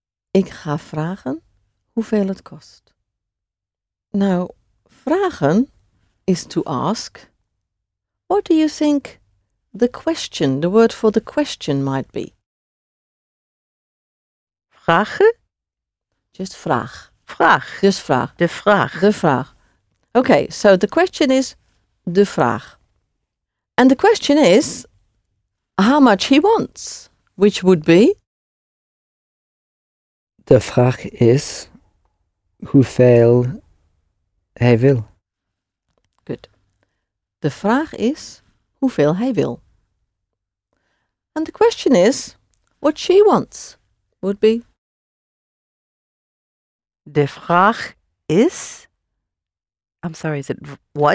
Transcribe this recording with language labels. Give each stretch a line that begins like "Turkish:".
Dutch: Ik ga vragen hoeveel het kost.
English: Now, vragen is to ask. What do you think the question, the word for the question might be?
Dutch: Vragen?
English: Just vraag.
Dutch: Vraag.
English: Just vraag.
Dutch: De vraag.
English: De vraag. Okay, so the question is de vraag. And the question is how much he wants, which would be?
Dutch: De vraag is hoeveel hij wil.
English: Good.
Dutch: De vraag is hoeveel hij wil.
English: And the question is what she wants would be?
Dutch: De vraag is,
English: I'm sorry, is it what?